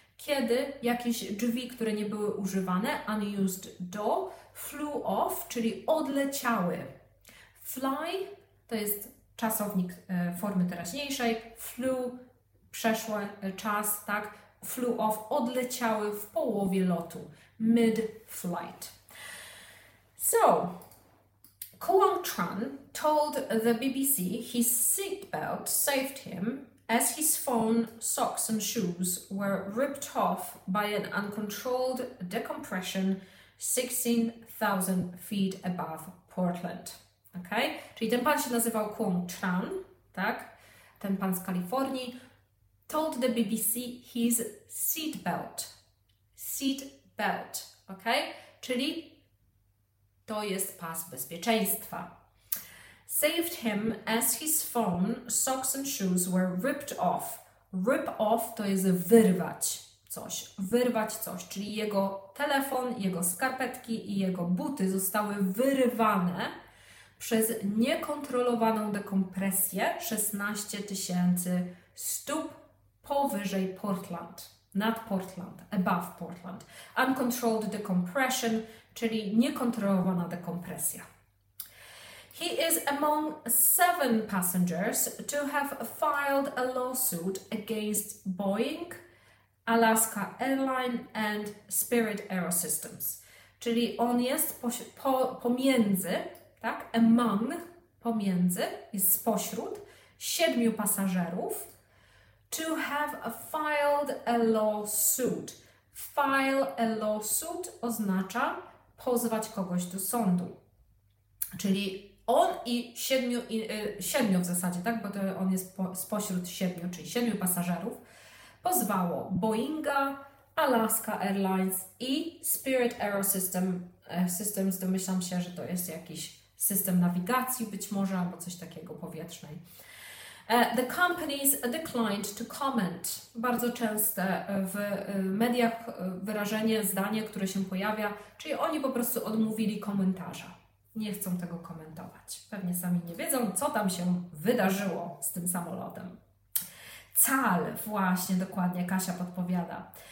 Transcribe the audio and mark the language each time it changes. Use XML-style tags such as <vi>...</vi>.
<pl>Kiedy jakieś drzwi, które nie były używane,</pl> <en>unused door, flew off,</en> <pl>czyli odleciały. Fly, to jest czasownik formy teraźniejszej, flew, przeszły czas, tak,</pl> <en>flew off,</en> <pl>odleciały w połowie lotu, mid-flight.</pl> <en>So, Kuang Tran told the BBC his seatbelt saved him as his phone, socks and shoes were ripped off by an uncontrolled decompression 16,000 feet above Portland. Okay?</en> <pl>Czyli ten pan się nazywał Kuang Tran, tak? Ten pan z Kalifornii</pl> <en>told the BBC his seatbelt. Seatbelt, okay?</en> <pl>Czyli to jest pas bezpieczeństwa.</pl> <en>Saved him as his phone, socks and shoes were ripped off. Rip off</en> <pl>to jest wyrwać coś. Wyrwać coś, czyli jego telefon, jego skarpetki i jego buty zostały wyrywane przez niekontrolowaną dekompresję 16,000 stóp powyżej Portland. Nad Portland,</pl> <en>above Portland. Uncontrolled decompression,</en> <pl>czyli niekontrolowana dekompresja.</pl> <en>He is among 7 passengers to have filed a lawsuit against Boeing, Alaska Airlines and Spirit Aerosystems.</en> <pl>Czyli on jest pomiędzy, tak? Among, pomiędzy, jest spośród 7 pasażerów.</pl> <en>To have filed a lawsuit. File a lawsuit</en> <pl>oznacza pozwać kogoś do sądu. Czyli on i 7 w zasadzie, tak? Bo to on jest spośród 7, czyli 7 pasażerów, pozwało Boeinga, Alaska Airlines i Spirit Aerosystems, domyślam się, że to jest jakiś system nawigacji być może, albo coś takiego powietrznej.</pl> <en>The companies declined to comment.</en> <pl>Bardzo częste w mediach wyrażenie, zdanie, które się pojawia, czyli oni po prostu odmówili komentarza. Nie chcą tego komentować. Pewnie sami nie wiedzą, co tam się wydarzyło z tym samolotem. Cal, właśnie, dokładnie, Kasia podpowiada.</pl>